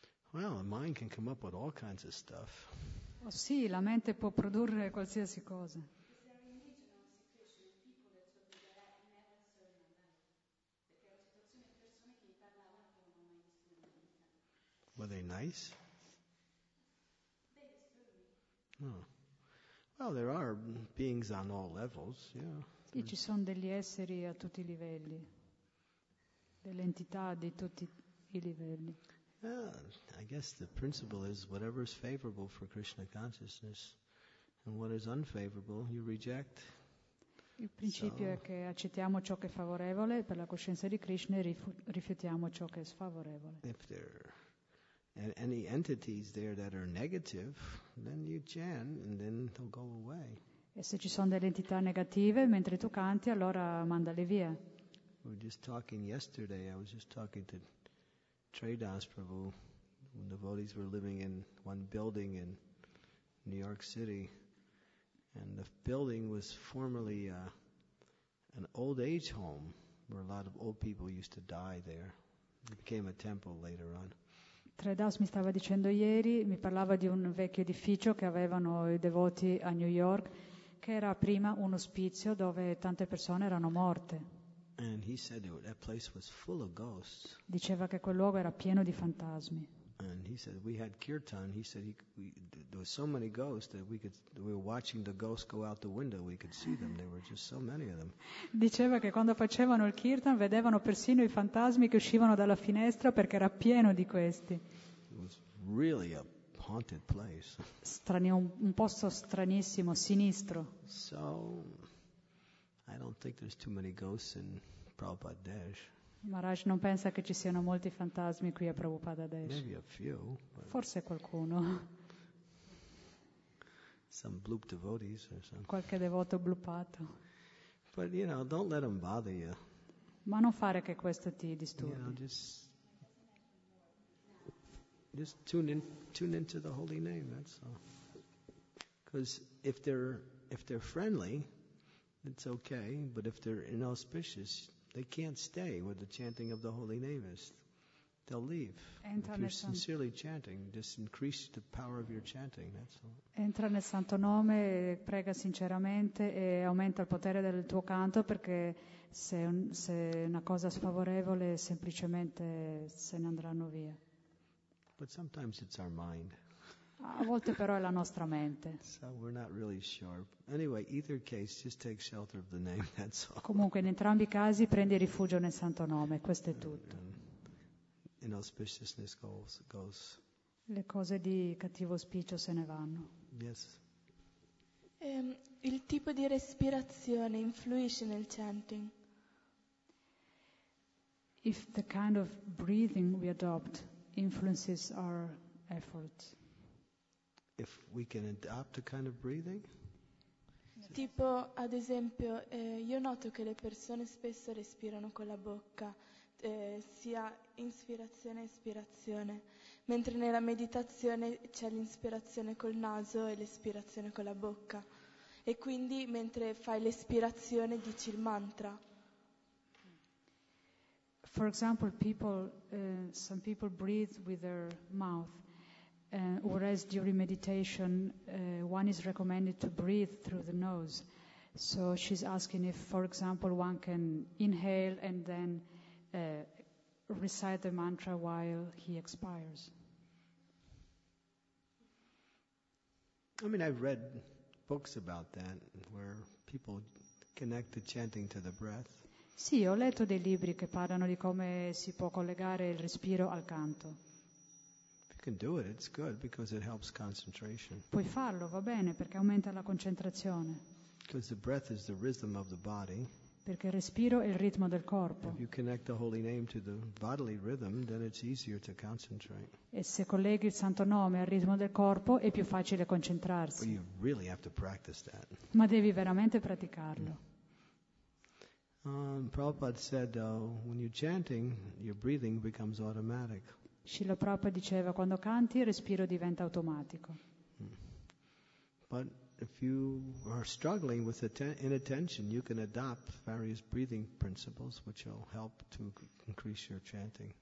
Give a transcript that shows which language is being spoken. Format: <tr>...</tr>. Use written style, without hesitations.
<en>Well, the mind can come up with all kinds of stuff.</en> <it>Oh, sì, la mente può produrre qualsiasi cosa.</it> <en>Were they nice? No. Oh. Well, there are beings on all levels, yeah.</en> <it>E ci sono degli esseri a tutti i livelli, delle entità di tutti i livelli.</it> <en>I guess the principle is whatever is favorable for Krishna consciousness and what is unfavorable you reject.</en> <it>Il principio è che accettiamo ciò che è favorevole per la coscienza di Krishna e rifiutiamo ciò che è sfavorevole.</it> <en>If there are any entities there that are negative, then you chant and then they'll go away.</en> <it>E se ci sono delle entità negative mentre tu canti, allora mandale via.</it> <en>I was just talking to Tridas Prabhu, when devotees were living in one building in New York City, and the building was formerly an old age home, where a lot of old people used to die there. It became a temple later on.</en> <it>Tredas mi stava dicendo ieri, mi parlava di un vecchio edificio che avevano i devoti a New York, che era prima un ospizio dove tante persone erano morte.</it> <en>And he said that place was full of ghosts.</en> <it>Diceva che quel luogo era pieno di fantasmi.</it> <en>And he said we had kirtan. He said there were so many ghosts that we were watching the ghosts go out the window. We could see them. There were just so many of them.</en> <it>Diceva che quando facevano il kirtan vedevano persino i fantasmi che uscivano dalla finestra perché era pieno di questi.</it> <en>It was really a haunted place.</en> <it>Strano, un posto stranissimo, sinistro.</it> <en>So I don't think there's too many ghosts in Prabhupada Desh.</en> <it>Maharaj non pensa che ci siano molti fantasmi qui a Prabhupada Desh.</it> <en>Maybe a few,</en> <it>forse qualcuno.</it> <en>Some bloop devotees or some.</en> <it>Qualche devoto bloopato.</it> <en>But you know, don't let them bother you.</en> <it>Ma non fare che questo ti disturbi.</it> <en>You know, just tune in to the holy name, that's all. Because if they're friendly, it's okay. But if they're inauspicious, they can't stay where the chanting of the holy name is. They'll leave.</en> <it>Entra</it> <en>if you're sincerely chanting, just increase the power of your chanting. That's all.</en> <it>Entra nel santo nome, prega sinceramente e aumenta il potere del tuo canto, perché se una cosa sfavorevole, semplicemente se ne andranno via.</it> <en>But sometimes it's our mind.</en> <it>A volte però è la nostra mente.</it> <en>So we're not really sure. Anyway, either case, just take shelter of the name, that's all.</en> <it>Comunque, in entrambi i casi, prendi rifugio nel santo nome, questo è tutto.</it> <en>And auspiciousness goes.</en> <it>Le cose di cattivo auspicio se ne vanno.</it> <en>Yes.</en> <it>Il tipo di respirazione influisce nel chanting?</it> <en>If the kind of breathing we adopt influences our effort. If we can adopt a kind of breathing?</en> <it>Tipo, ad esempio, io noto che le persone spesso respirano con la bocca, sia inspirazione e espirazione, mentre nella meditazione c'è l'inspirazione col naso e l'espirazione con la bocca. E quindi, mentre fai l'espirazione, dici il mantra.</it> <en>For example, some people breathe with their mouth. Whereas during meditation, one is recommended to breathe through the nose. So she's asking if, for example, one can inhale and then recite the mantra while he expires. I mean, I've read books about that, where people connect the chanting to the breath.</en> <it>Sì, ho letto dei libri che parlano di come si può collegare il respiro al canto.</it> <en>Can do it. It's good because it helps concentration.</en> <it>Puoi farlo, va bene, perché aumenta la concentrazione.</it> <en>Because the breath is the rhythm of the body.</en> <it>Perché il respiro è il ritmo del corpo.</it> <en>If you connect the holy name to the bodily rhythm, then it's easier to concentrate.</en> <it>E se colleghi il santo nome al ritmo del corpo, è più facile concentrarsi.</it> <en>But you really have to practice that.</en> <it>Ma devi veramente praticarlo.</it> <en>Prabhupada said, though, when you're chanting, your breathing becomes automatic.</en> <it>Srila Prabhupada diceva, quando canti il respiro diventa automatico.</it> <en>But if you are struggling with inattention, you can adopt various breathing principles which will help to increase your chanting.</en>